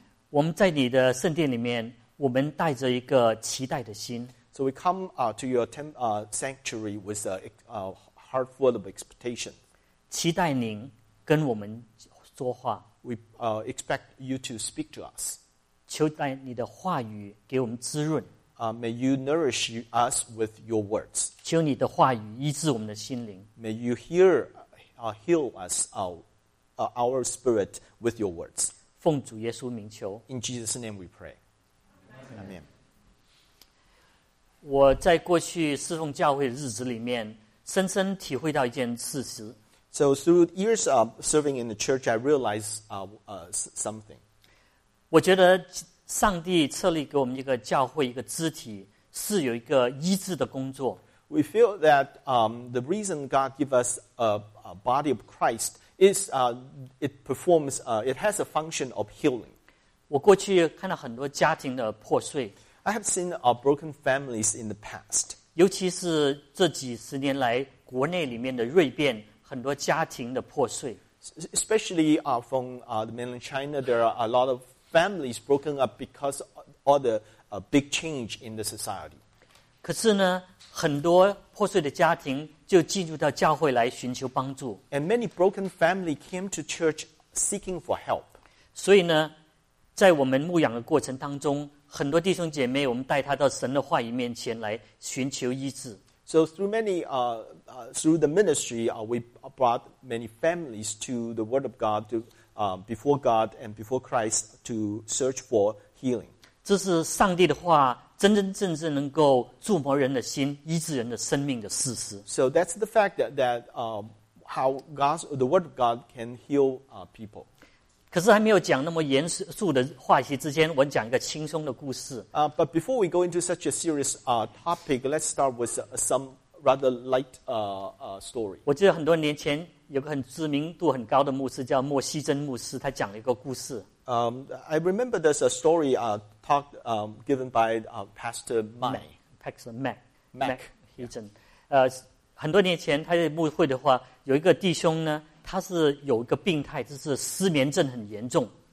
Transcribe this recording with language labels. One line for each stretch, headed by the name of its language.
Chinese: 我们在你的圣殿里面，我们带着一个期待的心。
English: So we come to your sanctuary with a heart full of expectation.
Chinese: 期待您。跟我们说话
English: We expect you to speak to us.
Chinese: 求带你的话语给我们滋润
English: May you nourish us with your words.
Chinese: 求你的话语医治我们的心灵
English: May you heal us our spirit with your words.
Chinese: 奉主耶稣名求
English: In Jesus' name we pray. Amen.
Chinese: 我在过去侍奉教会的日子里面深深体会到一件事实
English: So through years of serving in the church, I realized something.
Chinese: 我觉得上帝设立给我们一个教会一个肢体是有一个医治的工作。
English: We feel that the reason God gave us a body of Christ is it has a function of healing.
Chinese: 我过去看到很多家庭的破碎。
English: I have seen broken families in the past.
Chinese: 尤其是这几十年来国内里面的锐变。很多家庭的破碎
English: especially from the mainland China, there are a lot of families broken up because of all the big change in the society.
Chinese: 可是呢，很多破碎的家庭就进入到教会来寻求帮助。
English: And many broken families came to church seeking for help.
Chinese: 所以呢，在我们牧养的过程当中，很多弟兄姐妹，我们带他到神的话语面前来寻求医治。
English: So through many, through the ministry, we brought many families to the Word of God, to, before God and before Christ to search for healing.
Chinese: 这是上帝的话，真真正正能够触摸人的心，医治人的生命的事实。
English: So that's the fact that how God's, the Word of God can heal people.
Chinese: 可是还没有讲那么严肃的话题之前，我讲一个轻松的故事。
English: But before we go into such a serious topic, let's start with some rather light story.
Chinese: 我记得很多年前有个很知名度很高的牧师叫莫西珍牧师，他讲了一个故事。
English: I remember there's a story given by Pastor Mac. Pastor Mac. Mac Hilton.
Chinese: 很多年前他在牧会的话，有一个弟兄呢，他是有一个病态，就是失眠症很严重。